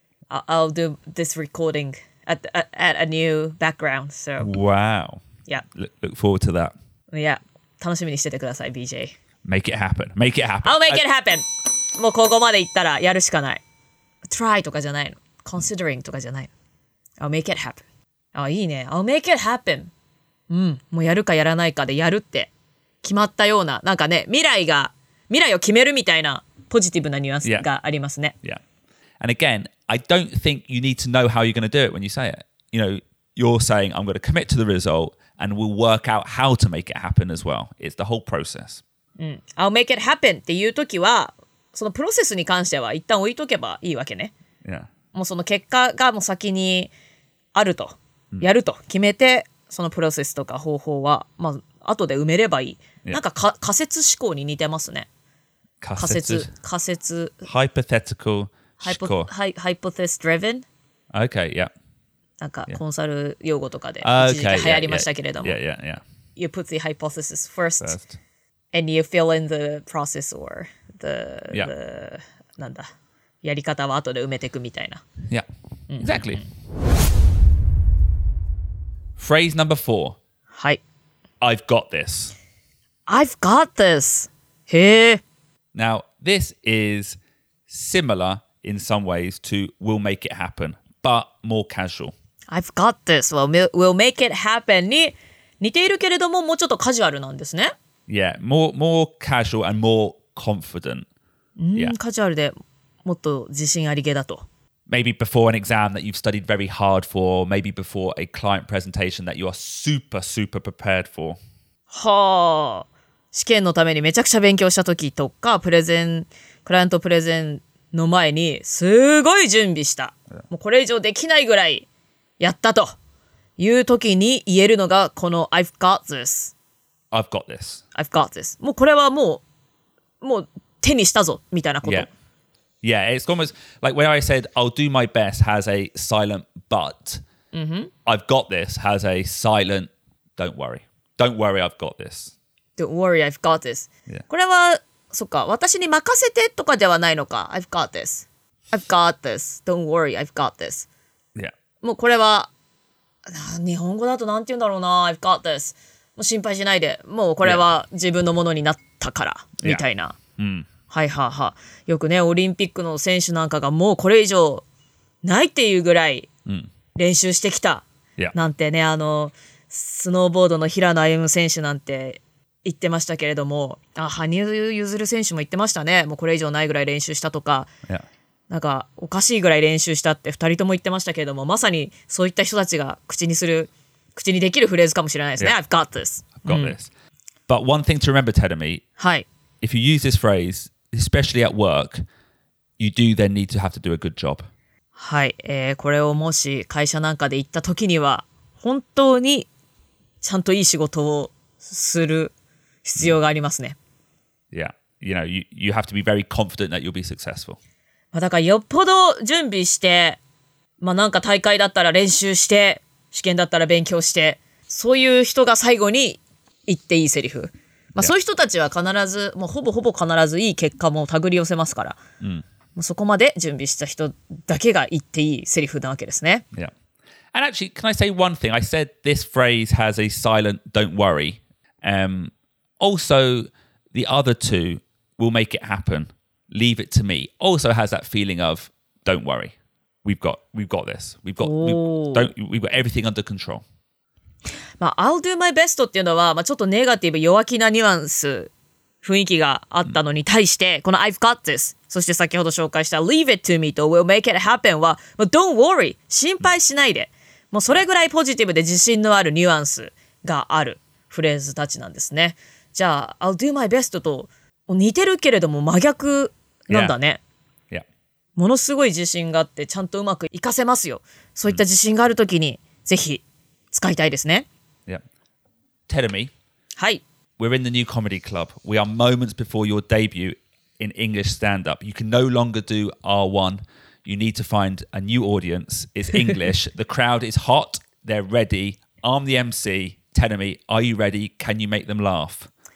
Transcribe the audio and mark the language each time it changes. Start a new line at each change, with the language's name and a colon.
English: I'll do this recording at a new background. So. Wow. Yeah. Look forward to that. Yeah.
Japanese: 楽しみにしててください、BJ.
English: Make it happen. Make it happen. I'll make it happen.
Japanese: もうここまで行ったらやるしかない。 Try とかじゃないの。Considering とかじゃないの。
English: I'll make it happen.
Japanese: あ、いいね。I'll make it happen. うん。もうやるかやらないかでやるって決まったような、なんかね、未来を決めるみたいなポジティブなニュアンスがありますね。
English: Yeah. Yeah. And again, I don't think you need to know how you're going to do it when you say it. You know, you're saying, I'm going to commit to the result. And we'll work out how to make it happen as well. It's the whole process.、
Japanese: うん、
English: I'll make it happen
Japanese: っていう時は、そのプロセスに関しては一旦置いとけばいいわけね。
English: Yeah.
Japanese: もうその結果がもう先にあると、
English: mm.
Japanese: やると決めて、そのプロセスとか方法は、まあ、後で埋めればいい。
English: Yeah.
Japanese: なんか仮説思考に似てますね。仮説。 Hypothetical 思考。
English: Hypothesis driven? Okay, yeah.
Japanese: なんかコンサル用語とかで一時期流行りましたけれども、
English: okay. yeah. You put the hypothesis first and you fill in the process or the,、 yeah.
Japanese: the なんだやり方は後で埋めていくみたいな
English: Yeah, exactly、
Japanese: うん、
English: Phrase number four
Japanese: はい
English: I've got this I've got this
Japanese: へえ
English: Now this is similar in some ways to we'll make it happenBut more casual. I've got this. We'll make it happen.
Japanese: に似ているけれどももうちょっとカジュアルなんですね。
English: Yeah, more casual and more confident. Yeah.
Japanese: カジュアルでもっと自信ありげだと。
English: Maybe before an exam that you've studied very hard for, maybe before a client presentation that you are super, super prepared for.
Japanese: はあ。試験のためにめちゃくちゃ勉強した時とか、プレゼン、クライアントプレゼンの前にすごい準備した。もうこれ以上できないぐらいやったという時に言えるのがこの
English: I've got this. I've got this. I've got this.
Japanese: もうこれはもう手にしたぞみたいなこと。
English: Yeah. Yeah, it's almost like when I said I'll do my best has a silent but.、 Mm-hmm. I've got this has a silent don't worry. Don't worry, I've got this. Don't worry, I've got this.、 Yeah.
Japanese: これはそっか私に任せてとかではないのか
English: I've got this. I've got this. Don't worry, I've got this. Yeah.
Japanese: もうこれは日本語だとなんて言うんだろうな
English: I've got this.
Japanese: もう心配しないで。もうこれは自分のものになったから、
English: yeah.
Japanese: みたいな。 Mm. はいはは。よくね、オリンピックの選手なんかがもうこれ以上ないっていうぐらい練習してきた。なんてね、 yeah. あの、スノーボードの平野歩夢選手なんて言ってましたけれども、あ、羽生結弦選手も言ってましたね。もうこれ以上ないぐらい練習したとか。
English: Yeah.
Japanese: なんかおかしいぐらい練習したって二人とも言ってましたけれども、まさにそういった人たちが口にできるフレーズかもしれないですね。
English: Yeah. I've got this. I've got、
Japanese: うん、
English: this. But one thing to remember, Terumi.
Japanese: はい。
English: If you use this phrase, especially at work, you do then need to have to do a good job.
Japanese: はい、これをもし会社なんかで言った時には、本当にちゃんといい仕事をする必要がありますね。
English: Yeah. You know, you have to be very confident that you'll be successful.
Japanese: まあ、だからよっぽど準備して、まあ、なんか大会だったら練習して、試験だったら勉強して、そういう人が最後に言っていいセリフ。まあ、そういう人たちは必ず、もうほぼほぼ必ずいい結果も手繰り寄せますから。うん、もうそこまで準備した人だけが言っていいセリフなわけですね。
English: Yeah. And actually, can I say one thing? I said this phrase has a silent don't worry. Also, the other two will make it happen.Leave it to me. Also has that feeling of don't worry. We've got everything under control.
Japanese: まあ、
English: I'll do my best
Japanese: っていうのは、まあ、ちょっとネガティブ弱気なニュアンス雰囲気があったのに対して、この
English: I've got this、
Japanese: そして先ほど紹介した
English: Leave it to me
Japanese: と
English: We'll make it happen
Japanese: は、まあ、
English: Don't worry、
Japanese: 心配しないで、もうそれぐらいポジティブで自信のあるニュアンスがあるフレーズたちなんですね。じゃあ
English: I'll do my best
Japanese: と似てるけれども真逆なんだね。
English: Yeah. Yeah.
Japanese: ものすごい自信があってちゃんとうまくいかせますよ。そういった自信があるときにぜひ使いたいですね。
English: Yeah. Tell me.
Japanese: はい。
English: We're in the new comedy club. We are moments before your debut in English stand-up. You can no longer do R1. You need to find a new audience. It's English. The crowd is hot. They're ready. I'm the MC. Tell me, are you ready? Can you make them laugh?